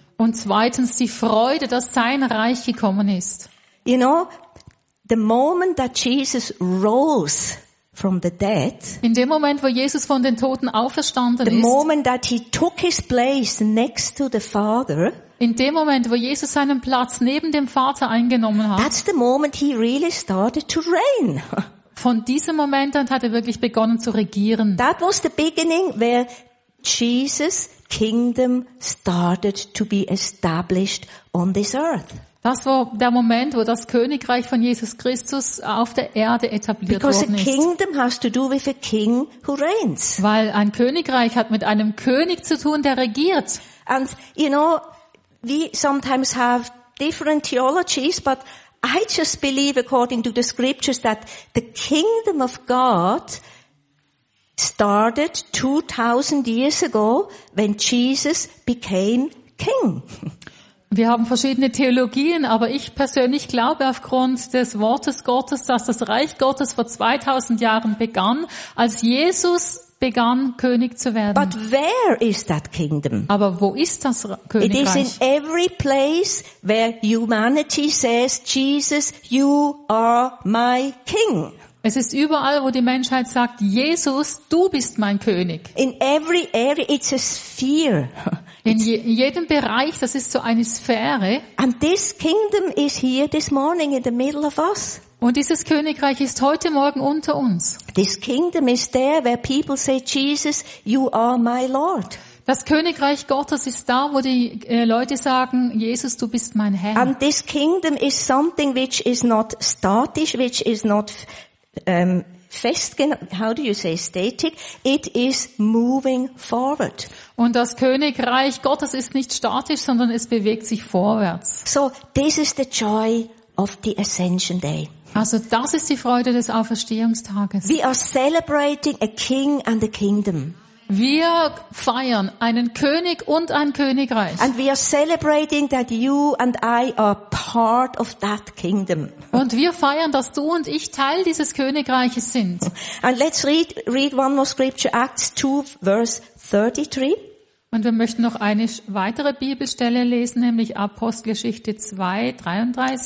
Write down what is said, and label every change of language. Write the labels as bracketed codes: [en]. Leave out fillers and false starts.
[de] Und zweitens die Freude, dass sein Reich gekommen ist. [en] You know, the moment that Jesus rose from the dead, [de] in dem Moment, wo Jesus von den Toten auferstanden [en] the [de] ist, [en] moment that he took his place next to the Father, [de] in dem Moment, wo Jesus seinen Platz neben dem Vater eingenommen hat, [en] that's the moment he really started to reign. [de] Von diesem Moment an hat er wirklich begonnen zu regieren. [en] That was the beginning where Jesus kingdom started to be established on this earth. [de] Das war der Moment, wo das Königreich von Jesus Christus auf der Erde etabliert [en] Because [de] worden ist. [en] Because a kingdom has to do with a king who reigns. [de] Weil ein Königreich hat mit einem König zu tun, der regiert. [en] And you know, we sometimes have different theologies, but I just believe according to the scriptures that the kingdom of God started 2000 years ago when Jesus became king. [de] Wir haben verschiedene Theologien, aber ich persönlich glaube aufgrund des Wortes Gottes, dass das Reich Gottes vor 2000 Jahren begann, als Jesus begann, König zu werden. [en] But where is that kingdom? [de] Aber wo ist das Königreich? [en] It is in every place where humanity says, Jesus, you are my king. [de] Es ist überall, wo die Menschheit sagt, Jesus, du bist mein König. [en] In every area, it's a sphere. [de] In jedem Bereich, das ist so eine Sphäre. [en] And this kingdom is here this morning in the middle of us. [de] Und dieses Königreich ist heute Morgen unter uns. [en] This kingdom is there where people say, Jesus, you are my Lord. [de] Das Königreich Gottes ist da, wo die Leute sagen, Jesus, du bist mein Herr. [en] And this kingdom is something which is not statisch, which is not static. It is moving forward. [de] Und das Königreich Gottes ist nicht statisch, sondern es bewegt sich vorwärts. [en] So, this is the joy of the Ascension Day. [de] Also das ist die Freude des Auferstehungstages. [en] We are celebrating a king and a kingdom. [de] Wir feiern einen König und ein Königreich. [en] And we are celebrating that you and I are part of that kingdom. [de] Und wir feiern, dass du und ich Teil dieses Königreiches sind. [en] And let's read one more scripture, Acts 2 verse 33. [de] Und wir möchten noch eine weitere Bibelstelle lesen, nämlich Apostelgeschichte 2, 33.